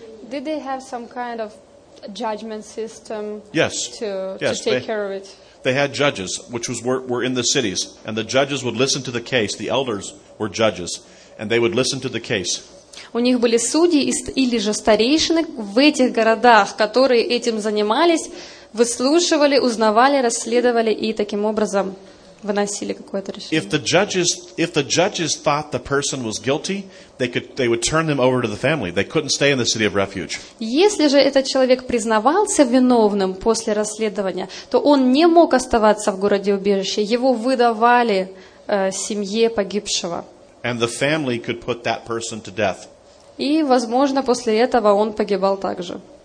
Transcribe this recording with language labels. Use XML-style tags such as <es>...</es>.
<en>Did they have some kind of judgment system? Yes. To take care of it? They had judges, which were in the cities, and the judges would listen to the case. The elders were judges, and they would listen to the case.</en> <ru>У них были судьи или же старейшины в этих городах, которые этим занимались, выслушивали, узнавали, расследовали и таким образом выносили какое-то решение.</ru> <en>If the judges thought the person was guilty, they would turn them over to the family. They couldn't stay in the city of refuge.</en> <ru>Если же этот человек признавался виновным после расследования, то он не мог оставаться в городе убежище. Его выдавали семье погибшего.</ru> <en>And the family could put that person to death.</en> <ru>И, возможно, после этого он погибал также.</ru>